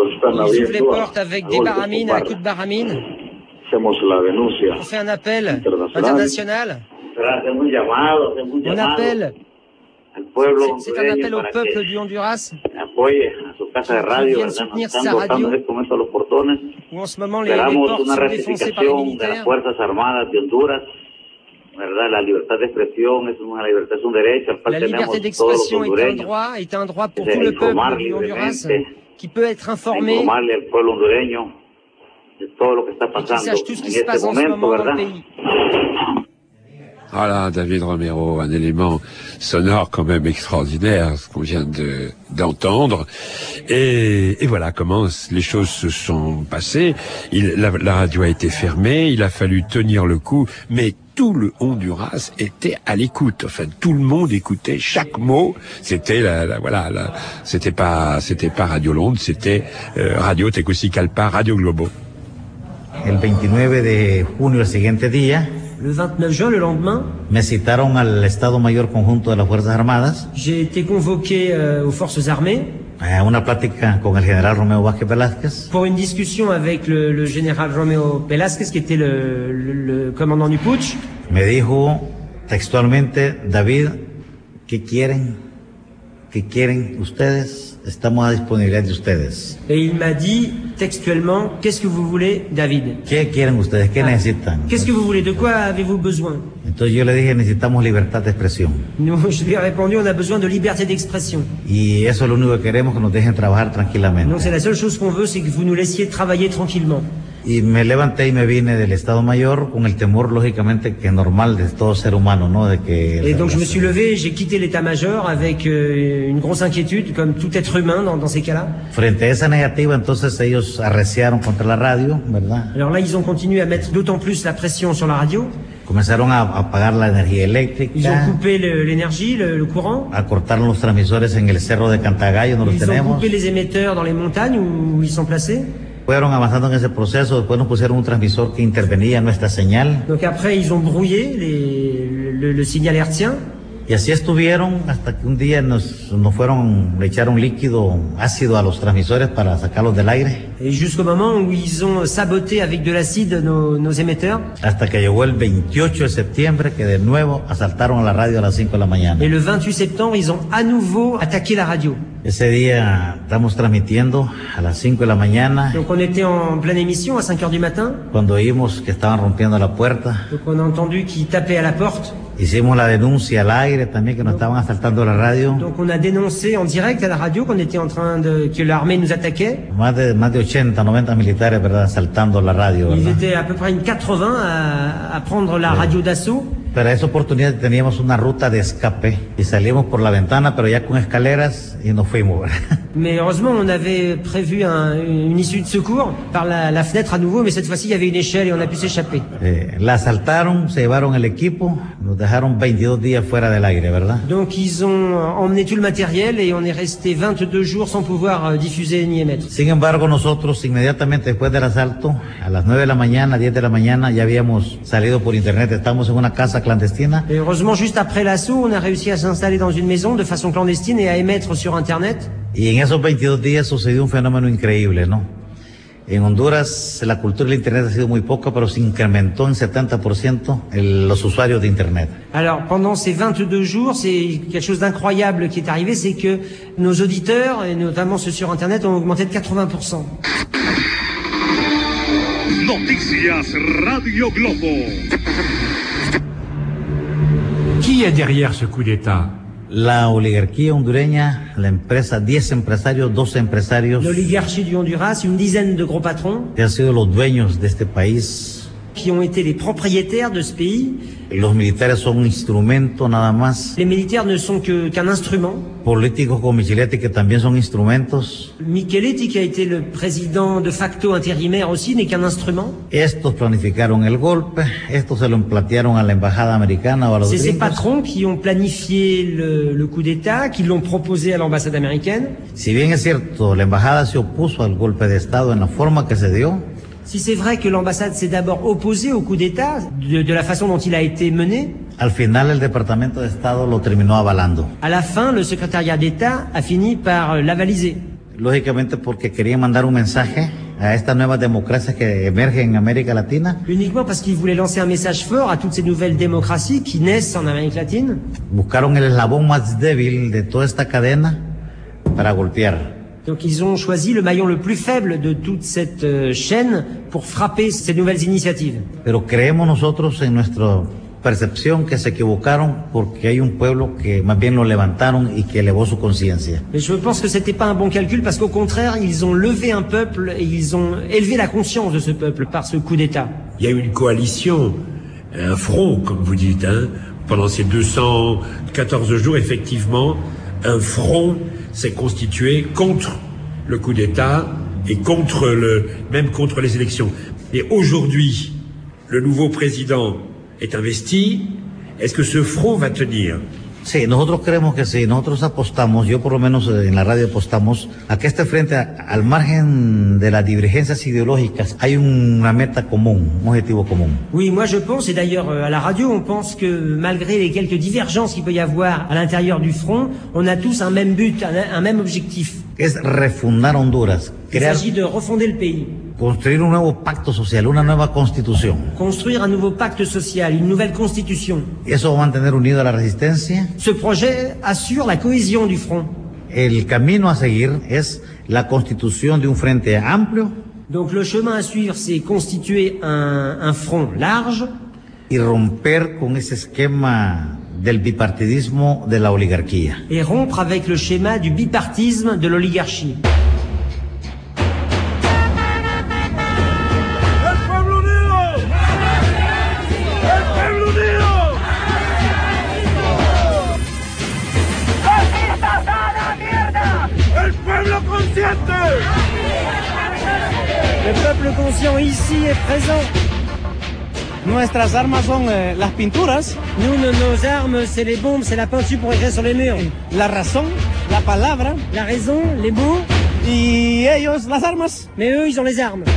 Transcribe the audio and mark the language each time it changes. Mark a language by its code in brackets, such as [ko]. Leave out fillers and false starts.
[fr] Ils ouvrent les portes avec des baramines, à coups de baramines. On fait un appel international. Un appel. C'est un appel au peuple du Honduras. Qui vient soutenir sa radio. Où en ce moment les portes sont défoncées par les militaires. [es] Las fuerzas armadas de Honduras. ¿Verdad? La libertad de expresión es una libertad, es un derecho. [fr] La liberté d'expression est un droit pour tout le peuple du Honduras qui peut être informé. [es] Informarle al pueblo hondureño. De todo lo que está pasando en este momento, ¿verdad? [fr] Voilà, David Romero, un élément sonore quand même extraordinaire, ce qu'on vient d'entendre. Et voilà comment les choses se sont passées. La radio a été fermée, il a fallu tenir le coup, mais tout le Honduras était à l'écoute. Enfin, tout le monde écoutait chaque mot. C'était c'était pas Radio Londres, c'était Radio Tegucigalpa, Radio Globo. [es] El 29 de junio, el siguiente día. [fr] Le 29 juin, le lendemain. [es] Me citaron al Estado Mayor Conjunto de las Fuerzas Armadas. [fr] J'ai été convoqué aux Forces Armées. [es] Una plática con el General Romeo Vázquez Velázquez. [fr] Pour une discussion avec le General Romeo Velázquez, qui était le commandant du putsch. [es] Me dijo textualmente, David, ¿qué quieren? ¿Qué quieren ustedes? Estamos a disponibilidad de ustedes. [fr] Et il m'a dit textuellement, qu'est-ce que vous voulez, David? [es] ¿Qué quieren ustedes? ¿Qué necesitan? [fr] Qu'est-ce que vous voulez? De quoi avez-vous besoin? [es] Entonces yo le dije, necesitamos libertad de expresión. [fr] Je lui ai répondu, on a besoin de liberté d'expression. [es] Y eso es lo único que queremos, que nos dejen trabajar tranquilamente. [fr] Donc c'est la seule chose qu'on veut, c'est que vous nous laissiez travailler tranquillement. [es] Y me levanté y me vine del Estado Mayor con el temor, lógicamente, que es normal de todo ser humano, ¿no? De que... [fr] Et donc je me suis levé, j'ai quitté l'état-major avec une grosse inquiétude, comme tout être humain dans ces cas-là. [es] Frente a esa negativa, entonces ellos arreciaron contra la radio, ¿verdad? [fr] Alors là, ils ont continué à mettre d'autant plus la pression sur la radio. [es] Comenzaron a apagar la energía eléctrica. [fr] Ils ont coupé l'énergie, le courant. [es] A cortar los transmisores en el Cerro de Cantagallo, donde los tenemos. [fr] Ils ont coupé les émetteurs dans les montagnes où ils sont placés. [es] Fueron avanzando en ese proceso, después nos pusieron un transmisor que intervenía nuestra señal. [fr] Donc après ils ont brouillé le signal hertzien. [es] Y así estuvieron hasta que un día le echaron líquido ácido a los transmisores para sacarlos del aire. [fr] Et jusqu'au moment où ils ont saboté avec de l'acide nos émetteurs. [es] Hasta que llegó el 28 de septiembre que de nuevo asaltaron a la radio a las 5 de la mañana. [fr] Et le 28 septembre ils ont à nouveau attaqué la radio. [es] Ese día estamos transmitiendo a las 5 de la mañana. [fr] Donc on était en pleine émission à 5 heures du matin. [es] Cuando oímos que estaban rompiendo la puerta. [fr] Donc on a entendu qu'ils tapaient à la porte. [es] Hicimos la denuncia al aire también que nos estaban asaltando la radio. [fr] Donc on a dénoncé en direct à la radio qu'on était en train de que l'armée nous attaquait. [es] Más de 80, 90 militares, ¿verdad?, asaltando la radio, ¿verdad? [fr] Ils étaient à peu près 80 à prendre la radio d'assaut. [es] Para esa oportunidad teníamos una ruta de escape y salimos por la ventana, pero ya con escaleras y nos fuimos. [fr] Mais heureusement, on avait prévu une issue de secours par la fenêtre à nouveau, mais cette fois-ci, il y avait une échelle et on a pu s'échapper. [es] La asaltaron, se llevaron el equipo, nos dejaron 22 días fuera del aire, ¿verdad? [fr] Donc, ils ont emmené tout le matériel et on est resté 22 jours sans pouvoir diffuser ni émettre. [es] Sin embargo, nosotros, inmediatamente después del asalto, a las 9 de la mañana, 10 de la mañana, ya habíamos salido por internet, estábamos en una casa clandestina. [fr] Et heureusement, juste après l'assaut, on a réussi à s'installer dans une maison de façon clandestine et à émettre sur Internet. [es] Y en esos 22 días sucedió un fenómeno increíble, ¿no? En Honduras, la cultura del Internet ha sido muy poca, pero se incrementó en 70% los usuarios de Internet. [fr] Alors, pendant ces 22 jours, c'est quelque chose d'incroyable qui est arrivé, c'est que nos auditeurs, et notamment ceux sur Internet, ont augmenté de 80%. [es] Noticias Radio Globo. [fr] Qui est derrière ce coup d'État? [es] La oligarquía hondureña, la empresa, 10 empresarios, 12 empresarios. [fr] L'oligarchie du Honduras, une dizaine de gros patrons. [es] Que han sido los dueños de este país. [fr] Qui ont été les propriétaires de ce pays. [es] Los militares son un instrumento nada más. [fr] Les militaires ne sont qu'un instrument. [es] Políticos como Micheletti que también son instrumentos. [fr] Micheletti qui a été le président de facto intérimaire aussi n'est qu'un instrument. [es] Estos planificaron el golpe, estos se lo plantearon a la embajada americana o a los gringos. [fr] C'est ces patrons qui ont planifié le coup d'état, qui l'ont proposé à l'ambassade américaine. [es] Si bien es cierto, la embajada se opuso al golpe de estado en la forma que se dio. [fr] Si c'est vrai que l'ambassade s'est d'abord opposée au coup d'État, de la façon dont il a été mené, [es] al final, el Departamento de Estado lo terminó avalando. [fr] À la fin, le secrétariat d'État a fini par l'avaliser. [es] Lógicamente, porque quería mandar un mensaje a esta nueva democracia que emerge en América Latina. [fr] Uniquement parce qu'il voulait lancer un message fort à toutes ces nouvelles démocraties qui naissent en Amérique latine. [es] Buscaron el eslabón más débil de toda esta cadena para golpear. [fr] Donc ils ont choisi le maillon le plus faible de toute cette chaîne pour frapper ces nouvelles initiatives. [es] Pero creemos nosotros en nuestra percepción que se equivocaron porque hay un pueblo que más bien lo levantaron y que elevó su conciencia. [fr] Mais je pense que c'était pas un bon calcul parce qu'au contraire, ils ont levé un peuple et ils ont élevé la conscience de ce peuple par ce coup d'état. Il y a eu une coalition un front, comme vous dites, hein, pendant ces 214 jours, effectivement, un front s'est constitué contre le coup d'État et contre le, même contre les élections. Et aujourd'hui, le nouveau président est investi. Est-ce que ce front va tenir? [es] Sí, nosotros creemos que sí. Nosotros apostamos, yo por lo menos en la radio apostamos, a que este frente, al margen de las divergencias ideológicas, hay una meta común, un objetivo común. [fr] Oui, moi je pense, et d'ailleurs à la radio, on pense que malgré les quelques divergences qu'il peut y avoir à l'intérieur du front, on a tous un même but, un même objectif. [es] Es refundar Honduras. [fr] Crear... Il s'agit de refonder le pays. [es] Construir un nuevo pacto social, una nueva constitución. [fr] Construir un nouveau pacte social, une nouvelle constitution. [es] Eso va a mantener unido a la resistencia. [fr] Ce projet assure la cohésion du front. [es] El camino a seguir es la constitución de un frente amplio. [fr] Donc le chemin à suivre, c'est constituer un front large. [es] Y romper con ese esquema del bipartidismo de la oligarquía. [fr] Et rompre avec le schéma du bipartisme de l'oligarchie. Le peuple conscient ici est présent. [es] Nuestras armas son las pinturas. [fr] Nous, nos armes, c'est les bombes, c'est la peinture pour écrire sur les murs. La raison, [es] la palabra. [fr] La raison, les mots. [es] Y ellos, las armas. [fr] Mais eux, ils ont les armes.